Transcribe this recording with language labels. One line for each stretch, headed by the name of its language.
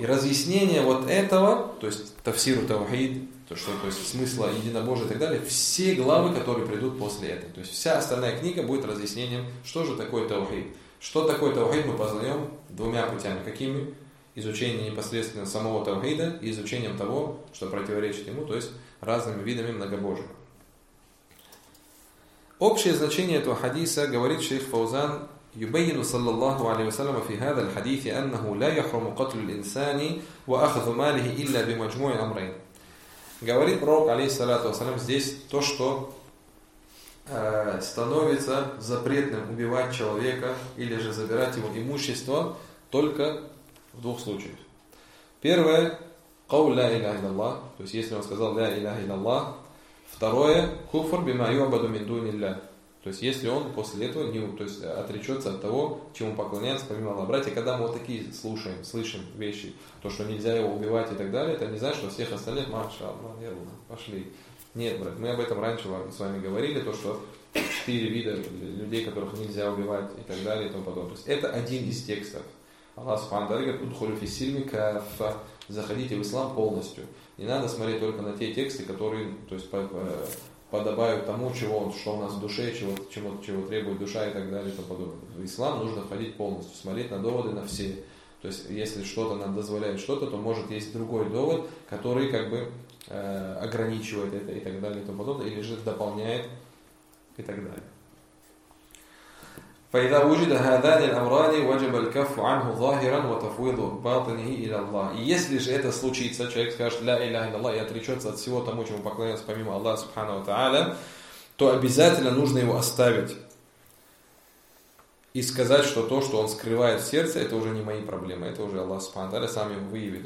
Russian: И разъяснение вот этого, то есть, тафсиру тавхид, то, что, то есть смысла единобожия и так далее, все главы, которые придут после этого. То есть вся остальная книга будет разъяснением, что же такое таухид. Что такое таухид, мы познаем двумя путями. Какими? Изучением непосредственно самого таухида и изучением того, что противоречит ему, то есть разными видами многобожия. Общее значение этого хадиса говорит шейх Фаузан,
Arabic: يبين صلى الله عليه وسلم في هذا الحديث أنه لا يحرم قتل الإنسان وأخذ ماله إلا بمجموع أمرين.
Russian: Говорит пророк, алейхиссалату вассалям, здесь то, что становится запретным убивать человека или же забирать его имущество только в двух случаях. Первое,
Arabic: قول لا إله إلا الله,
Russian: то есть если он сказал
Arabic: لا إله إلا الله.
Russian: Второе,
Arabic: كفر بما يعبد من دون الله,
Russian: то есть если он после этого не, то есть отречется от того, чему поклоняется помимо Аллаха. Братья, когда мы вот такие слышим вещи, то, что нельзя его убивать и так далее, это не значит, что всех остальных маша, пошли. Нет, брат, мы об этом раньше с вами говорили, то, что четыре вида людей, которых нельзя убивать и так далее и тому подобное. То есть это один из текстов. Аллах Субхану Тааля говорит,
Arabic: «Удхулю фи сильми кафа»,
Russian: заходите в ислам полностью. Не надо смотреть только на те тексты, которые, то есть, подобают тому, чего он, что у нас в душе, чего требует душа и так далее и тому подобное. В ислам нужно входить полностью, смотреть на доводы на все. То есть, если что-то нам дозволяет что-то, то может есть другой довод, который как бы ограничивает это и так далее и тому подобное, или же дополняет и так далее.
Arabic: فإذا وجد هذان الأمران وجب الكف عنه ظاهرا وتفويض باطنه إلى الله.
Russian: Если же это случится, человек скажет
Arabic: لا إله إلا الله
Russian: и отречется от всего тому, чему поклоняется помимо Аллаха Субхана ва Тааля, то обязательно нужно его оставить. И сказать, что то, что он скрывает в сердце, это уже не мои проблемы, это уже Аллах Субхану Тааля сам его выявит.